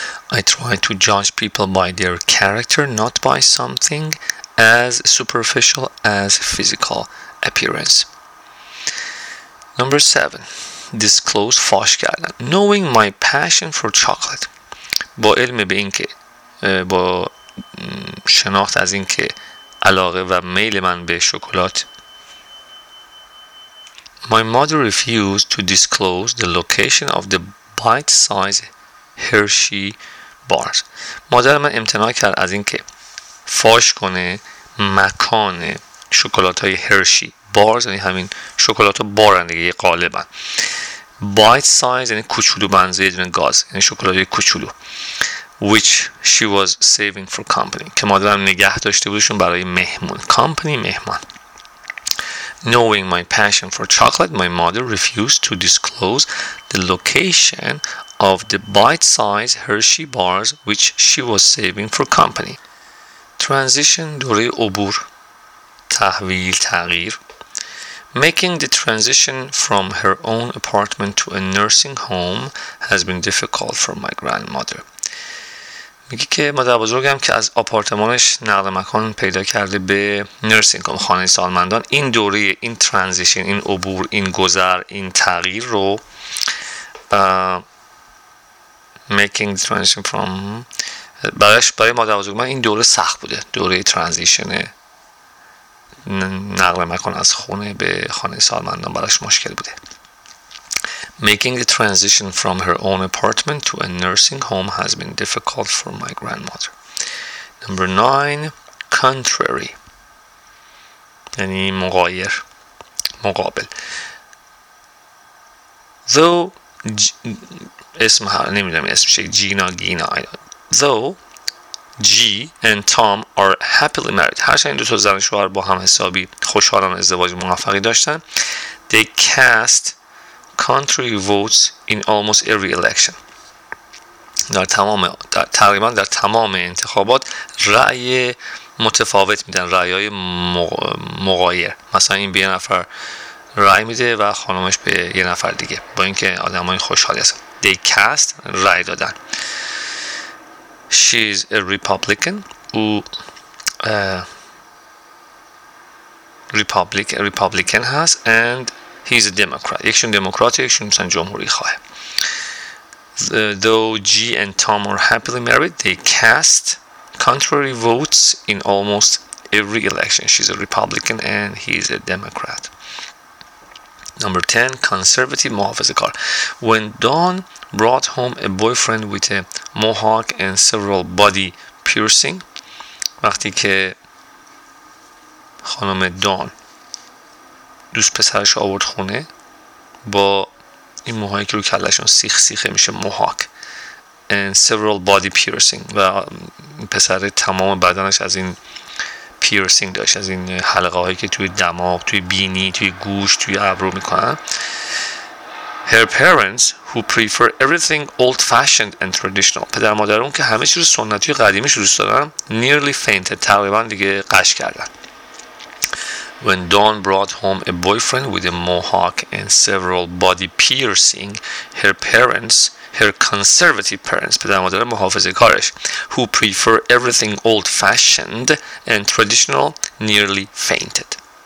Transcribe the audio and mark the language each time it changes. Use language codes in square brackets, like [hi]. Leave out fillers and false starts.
[en] I try to judge people by their character, not by something as superficial as physical appearance. Number 7. Disclose، [fa] فاش کردن. [en] Knowing my passion for chocolate، [fa] با علم به این که، با شناخت از این که علاقه و میل من به شکلات [en] My mother refused to disclose the location of the bite-sized Hershey bars. [fa] مادر من امتناع کرد از اینکه فاش کنه مکان شکلات‌های هرشی بارز، یعنی همین شکلات بارندگی غالبا. Bite size یعنی کوچولو، بنزه دونه گاز یعنی شکلات کوچولو. [en] Which she was saving for company، [fa] که مادرم نگه داشته بودشون برای مهمون. Company مهمان. [en] Knowing my passion for chocolate، my mother refused to disclose the location of the bite size Hershey bars which she was saving for company. Transition، [fa] دوره عبور، تحویل، تغییر. [en] Making the transition from her own apartment to a nursing home has been difficult for my grandmother. [fa] میگه که مادر بزرگم که از آپارتمانش نقل مکان پیدا کرده به نرسینگ هوم، خانه سالمندان، این دوره، این ترانزیشن، این عبور، این گذر، این تغییر رو [en] making the transition from [fa] برای مادر بزرگم این دوره سخت بوده، دوره ترانزیشنه نقل مکان از خونه به خانه سالمندان براش مشکل بوده. [en] Making the transition from her own apartment to a nursing home has been difficult for my grandmother. Number 9, contrary. [fa] یعنی مغایر، مقابل. Though اسم ها نمیدونم اسمش چیه، جینا گینا. [en] Though G and Tom are happily married. [fa] هرچند دو تا زن شوهر با هم حسابی خوشحالان ازدواج موفقی داشتن. They cast contrary votes in almost every election. در تقریبا در تمام انتخابات رأی متفاوت میدن، رأیای مغایر. مثلا این به یه نفر رأی میده و خانمش به یه نفر دیگه، با اینکه آدمای خوشحالی هستن. [en] They cast [fa] رأی دادن. [en] She is a Republican. Republican has, and he is a Democrat. [fa] یکشون دموکرات، یکشون مثلا جمهوری خواه. [en] Though G and Tom are happily married, they cast contrary votes in almost every election. She is a Republican and he is a Democrat. Number 10, conservative محافظه‌کار. When Dawn brought home a boyfriend with a mohawk and several body piercing. [fa] وقتی که خانم دان دوست پسرش آورد خونه با این موهایی که رو کلشون سیخ سیخه میشه، [en] mohawk and several body piercing، [fa] و پسر تمام بدنش از این پیرسینگ داشت، از این حلقه هایی که توی دماغ، توی بینی، توی گوش، توی ابرو میکنن. [en] Her parents who prefer everything old fashioned and traditional. [fa] پدر مادر اون که همه چیز سنتی و قدیمی شروع دادن، [en] nearly fainted، [fa] تقریبا دیگه قش کردن. [en] When Dawn brought home a boyfriend with a mohawk and several body piercing, her conservative parents، [fa] پدر مادر محافظه کارش، [en] who prefer everything old fashioned and traditional, nearly fainted.